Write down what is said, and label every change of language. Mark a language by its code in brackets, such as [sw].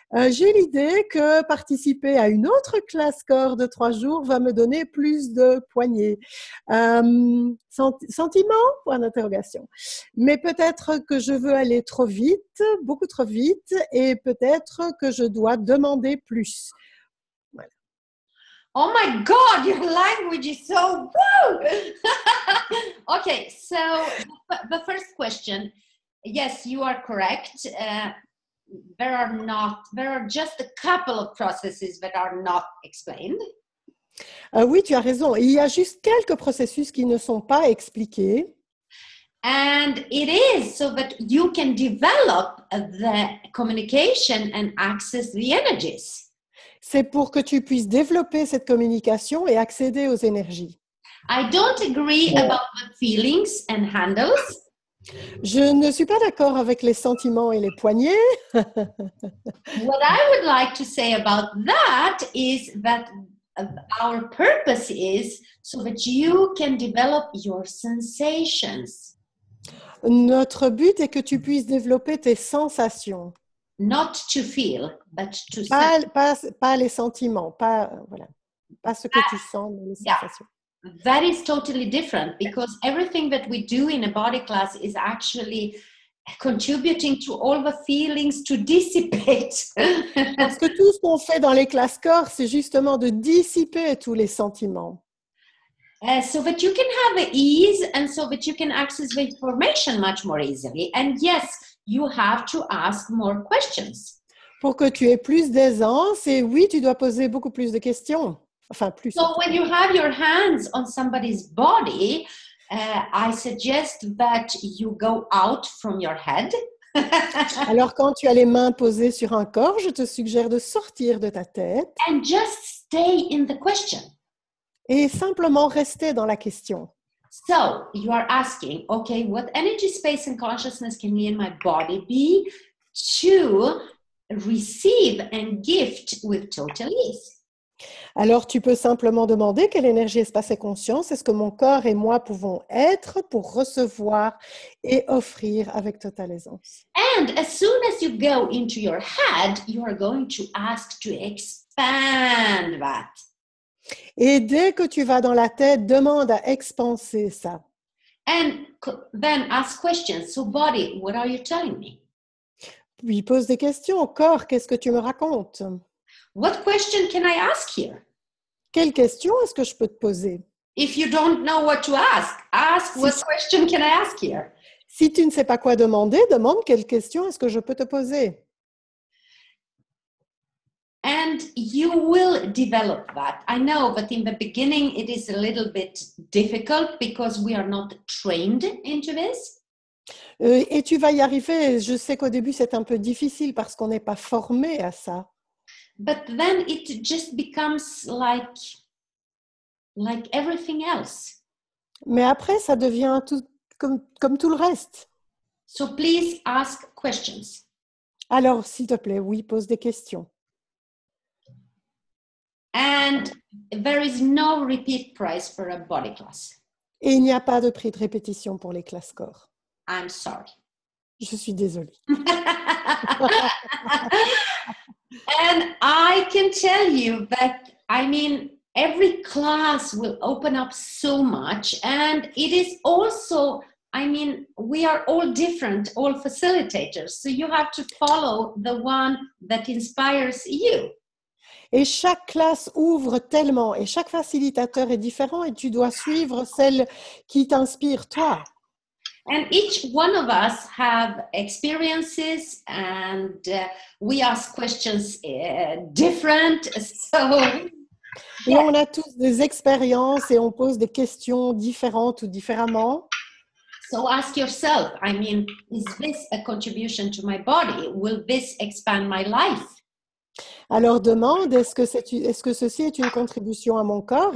[fr] J'ai l'idée que participer à une autre classe corps de 3 jours va me donner plus de poignées. Sentiment, point d'interrogation. Mais peut-être que je veux aller trop vite, beaucoup trop vite, et peut-être que je dois demander plus. Voilà. [en] Oh my God, your language is so woo! Okay, so the first question. Yes, you are correct. There are just a couple of processes that are not explained. [fr] Oui, tu as raison. Il y a juste quelques processus qui ne sont pas expliqués. [en] And it is so that you can develop the communication and access the energies. [fr] C'est pour que tu puisses développer cette communication et accéder aux énergies. [en] I don't agree about the feelings and handles. [fr] Je ne suis pas d'accord avec les sentiments et les poignets. [en] What I would like to say about that is that our purpose is so that you can develop your sensations. [fr] Notre but est que tu puisses développer tes sensations. [en] Not to feel, but to sense. [fr] Pas les sentiments, pas ce que tu sens, mais les sensations. Yeah. [en] That is totally different because everything that we do in a body class is actually contributing to all the feelings to dissipate. [fr] Parce que tout ce qu'on fait dans les classes corps, c'est justement de dissiper tous les sentiments. [en] So that you can have the ease and so that you can access the information much more easily. And yes, you have to ask more questions. [fr] Pour que tu aies plus d'aisance, et oui, tu dois poser beaucoup plus de questions. Enfin, plus. [en] So when you have your hands on somebody's body, I suggest that you go out from your head. [fr] Alors quand tu as les mains posées sur un corps, je te suggère de sortir de ta tête. [en] And just stay in the question. [fr] Et simplement rester dans la question. [en] So you are asking, okay, what energy, space and consciousness can me and my body be to receive and gift with total ease? [fr] Alors, tu peux simplement demander quelle énergie, espace et conscience est-ce que mon corps et moi pouvons être pour recevoir et offrir avec totale aisance. [en] And as soon as you go into your head, you are going to ask to expand that. [fr] Et dès que tu vas dans la tête, demande à expanser ça. [en] And then ask questions. So body, what are you telling me? [fr] Oui, pose des questions. Corps, qu'est-ce que tu me racontes? [en] What question can I ask here? [fr] Quelle question est-ce que je peux te poser? [en] If you don't know what to ask, ask what question can I ask here? [fr] Si tu ne sais pas quoi demander, demande quelle question est-ce que je peux te poser? [en] And you will develop that. I know, but in the beginning it is a little bit difficult because we are not trained into this. [fr] Et tu vas y arriver. Je sais qu'au début c'est un peu difficile parce qu'on n'est pas formé à ça. [en] But then it just becomes like everything else. [fr] Mais après, ça devient tout, comme tout le reste. [en] So please ask questions. [fr] Alors, s'il te plaît, oui, pose des questions. [en] And there is no repeat price for a body class. [fr] Et il n'y a pas de prix de répétition pour les classes corps. [en] I'm sorry. [fr] Je suis désolée. [en] And I can tell you that, I mean, every class will open up so much. And it is also, I mean, we are all different, all facilitators. So you have to follow the one that inspires you. [fr] Et chaque classe ouvre tellement, et chaque facilitateur est différent, et tu dois suivre celle qui t'inspire, toi. [en] And each one of us have experiences and we ask questions different. So, yeah. [fr] Et on a tous des expériences et on pose des questions différentes ou différemment. [en] So ask yourself, I mean, is this a contribution to my body? Will this expand my life? [fr] Alors demande, est-ce que ceci est une contribution à mon corps?